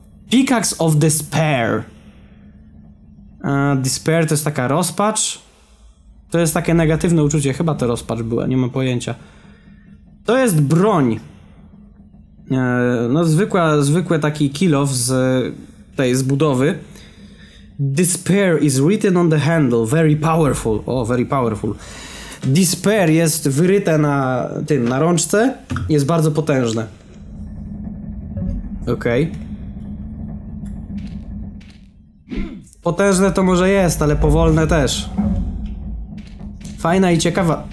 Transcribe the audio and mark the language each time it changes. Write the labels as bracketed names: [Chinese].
[English] Pickaxe of Despair. [Polish] Despair to jest taka rozpacz. To jest takie negatywne uczucie. Chyba to rozpacz była, nie mam pojęcia. To jest broń. No zwykły taki Kilof z tej z budowy. [English] Despair is written on the handle. Very powerful. O, very powerful. [Polish] Despair jest wyryte na tym, na rączce. Jest bardzo potężne. Okej. Okay. Potężne to może jest, ale powolne też. Fajna i ciekawa.